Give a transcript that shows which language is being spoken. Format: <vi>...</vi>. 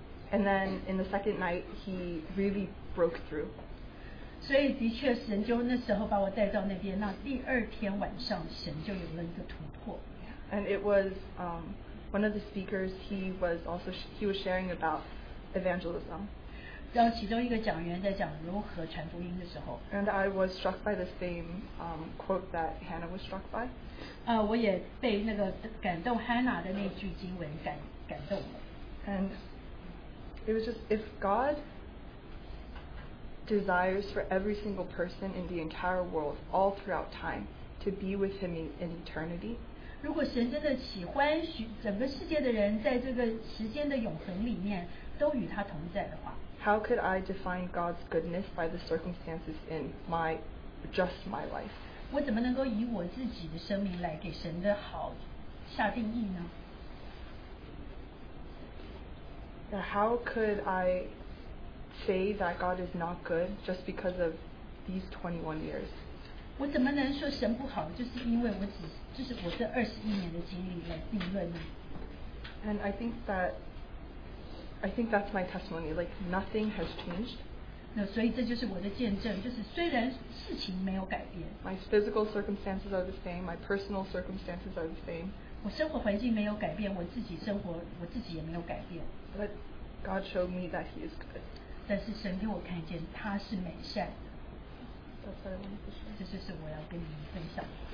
<en>And then in the second night, he really broke through.</en> <zh>所以的确神就那时候把我带到那边，那第二天晚上神就有了一个突破。</zh> <en>And it was one of the speakers, he was sharing about evangelism.</en> <zh>当其中一个讲员在讲如何传福音的时候。</zh> <en>And I was struck by the same quote that Hannah was struck by.</en> <zh>我也被那个感动 Hannah 的那句经文感动了。</zh> <en>And it was just, if God desires for every single person in the entire world, all throughout time, to be with Him in eternity,</en> <zh>如果神真的喜欢整个世界的人在这个时间的永恒里面都与他同在的话。</zh> <en>How could I define God's goodness by the circumstances in my, just my life?</en> <zh>我怎么能够以我自己的生命来给神的好下定义呢？</zh> <en>How could I say that God is not good just because of these 21 years?</en> <zh>我怎么能说神不好，就是因为我只就是我这二十一年的经历来定论呢？</zh> <en>And I think that. I think that's my testimony. Like nothing has changed.</en> <zh>那所以这就是我的见证，就是虽然事情没有改变。</zh> <en>My physical circumstances are the same. My personal circumstances are the same.</en> <zh>我生活环境没有改变，我自己生活我自己也没有改变。</zh> <en>But God showed me that He is good.</en> <zh>但是神给我看见他是美善。</zh> <en>That's what I wanted to share.</en> <zh>这就是我要跟你们分享。</zh>